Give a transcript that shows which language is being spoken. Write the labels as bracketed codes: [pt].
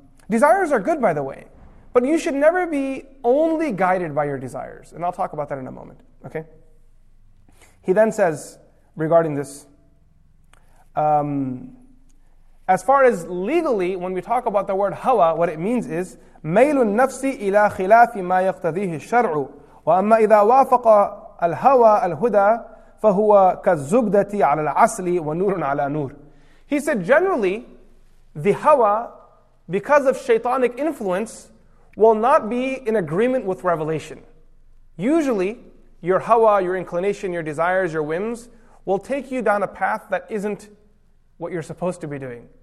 [en] Desires are good, by the way. But you should never be only guided by your desires. And I'll talk about that in a moment. Okay? He then says, regarding this, As far as legally, when we talk about the word hawa, what it means is [ar] مَيْلُ النَّفْسِ إِلَىٰ خِلَافِ مَا يَقْتَذِيهِ الشَّرْعُ وَأَمَّا إِذَا وَافَقَ الْهَوَىٰ الْهُدَىٰ فَهُوَ كَالزُّبْدَةِ عَلَىٰ الْعَسْلِ وَنُورٌ عَلَىٰ نُورٍ. [en] He said generally, the hawa, because of shaitanic influence, will not be in agreement with revelation. Usually, your hawa, your inclination, your desires, your whims, will take you down a path that isn't what you're supposed to be doing.